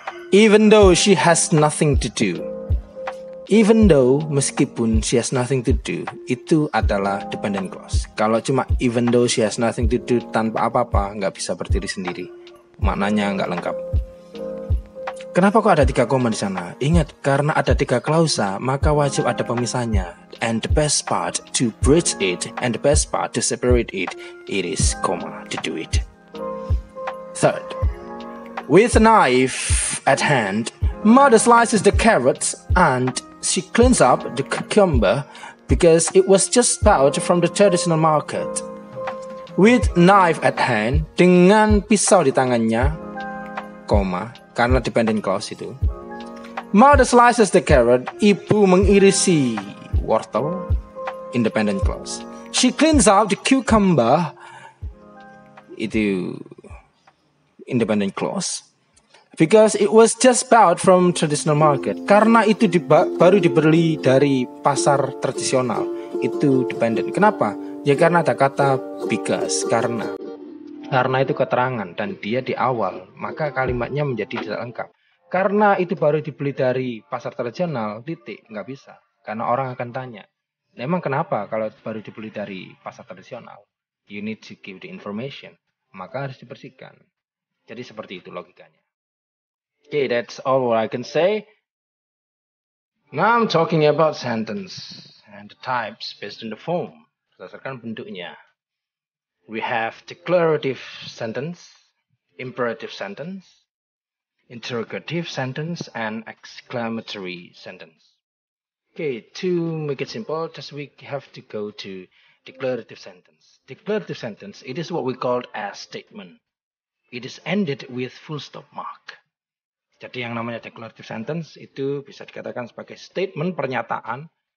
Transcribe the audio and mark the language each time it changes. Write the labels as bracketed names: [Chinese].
[English] Even though she has nothing to do. Even though, meskipun she has nothing to do, [Indonesian] itu adalah [English] dependent clause. [Indonesian] Kalau cuma [English] even though she has nothing to do, [Indonesian] tanpa apa-apa, nggak bisa berdiri sendiri. Maknanya nggak lengkap. Kenapa kok ada tiga koma di sana? Ingat, karena ada tiga klausa, maka wajib ada pemisahnya. [English] And the best part to bridge it, and the best part to separate it, it is comma to do it. Third, with a knife at hand, mother slices the carrots and she cleans up the cucumber because it was just bought from the traditional market. With knife at hand, [Indonesian] dengan pisau di tangannya, [English] comma, [Indonesian] karena [English] dependent clause [Indonesian] itu. [English] Mother slices the carrot, [Indonesian] ibu mengirisi wortel, [English] independent clause. She cleans up the cucumber, [Indonesian] itu [English] independent clause. Because it was just bought from traditional market. [Indonesian] Karena itu baru dibeli dari pasar tradisional. Itu dependent. Kenapa? Ya karena ada kata because. Karena. Karena itu keterangan. Dan dia di awal. Maka kalimatnya menjadi tidak lengkap. Karena itu baru dibeli dari pasar tradisional. Titik. Nggak bisa. Karena orang akan tanya. Emang kenapa kalau baru dibeli dari pasar tradisional? [English] You need to give the information. [Indonesian] Maka harus dibersihkan. Jadi seperti itu logikanya. [English] Okay, that's all what I can say. Now I'm talking about sentence and the types based on the form. [Indonesian] Berdasarkan bentuknya. [English] We have declarative sentence, imperative sentence, interrogative sentence, and exclamatory sentence. Okay, to make it simple, just we have to go to declarative sentence. Declarative sentence, it is what we call a statement. It is ended with full stop mark. [Indonesian] Jadi yang namanya declarative sentence itu bisa dikatakan sebagai statement, pernyataan.